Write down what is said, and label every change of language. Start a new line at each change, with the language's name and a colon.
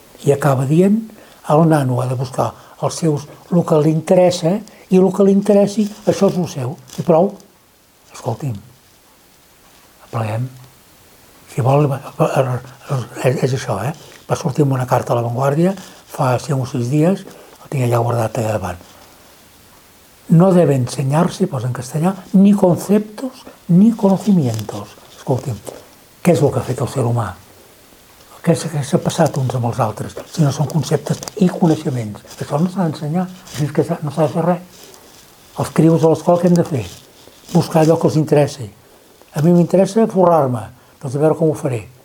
Catalan: I acaba dient, el nano ha de buscar els seus, el que li interessa, i el que li interessi, això és el seu. I prou, escolti'm, apleguem. Si vol, és això, eh? Va sortir amb una carta a La Vanguardia fa 5 o 6 dies, el tinc allà guardat allà davant.
Spanish: No debe enseñarse,
Catalan: posa en castellà,
Spanish: ni conceptos ni conocimientos.
Catalan: Escolti'm, què és el que ha fet el ser humà? Què s'ha passat uns amb els altres, si no són conceptes i coneixements? Això no s'ha d'ensenyar, així que no s'ha de fer res. Els crios a l'escola, què hem de fer? Buscar allò que els interessi. A mi m'interessa forrar-me, doncs a veure com ho faré.